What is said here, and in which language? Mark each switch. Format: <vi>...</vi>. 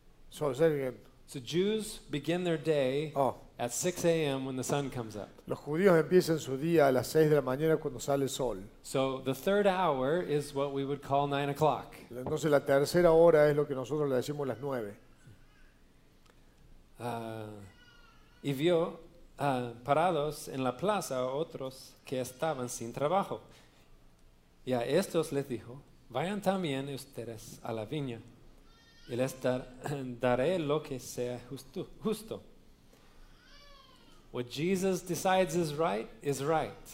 <en>So Jews begin their day at 6 a.m. when the sun comes up.</en> <es>Los judíos empiezan su día a las 6 de la mañana cuando sale el sol.</es> <en>So the third hour is what we would call 9 o'clock.</en> <es>Entonces la tercera hora es lo que nosotros le decimos las 9. Y vio parados en la plaza a otros que estaban sin trabajo. Y a estos les dijo, vayan también ustedes a la viña y les daré lo que sea justo.</es> <en>What Jesus decides is right,</en> <es>is right.</es>